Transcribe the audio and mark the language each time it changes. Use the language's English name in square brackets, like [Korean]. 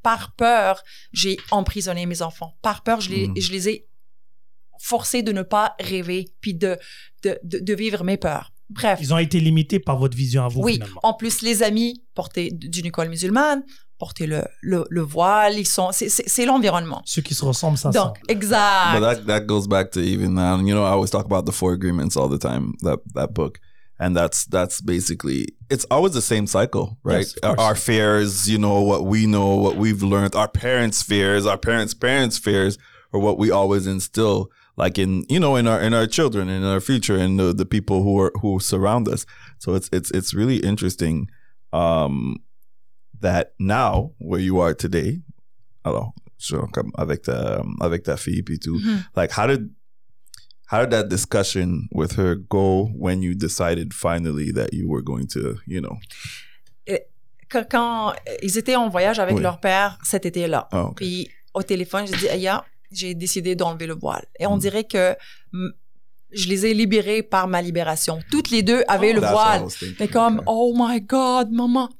[French] Par peur, j'ai emprisonné mes enfants. Par peur, je les ai forcés de ne pas rêver puis de vivre mes peurs. Bref. Ils ont été limités par votre vision à vous, oui, finalement. Oui, en plus, les amis portaient d'une école musulmane, porter le voile, ils sont c'est l'environnement. Ceux qui se ressemblent, ça donc semble. Exact. [English] But that goes back to even now. You know, I always talk about the four agreements all the time. That book, and that's basically it's always the same cycle, right? Yes, of course. Our fears, you know, what we know, what we've learned, our parents' fears, our parents' parents' fears, or what we always instill, like in you know in our children, in our future, and the people who surround us. So it's really interesting. That now where you are today, [French] alors, comme avec ta fille puis tout, [English] like how did that discussion with her go when you decided finally that you were going to, you know, [French] quand ils étaient en voyage avec leur père cet été-là. [English] Oh, okay. [French] Puis au téléphone, j'ai dit, Aya, j'ai décidé d'enlever le voile. Et on dirait que je les ai libérés par ma libération. Toutes les deux avaient le voile. Mais comme, [English] oh my God, [French] maman.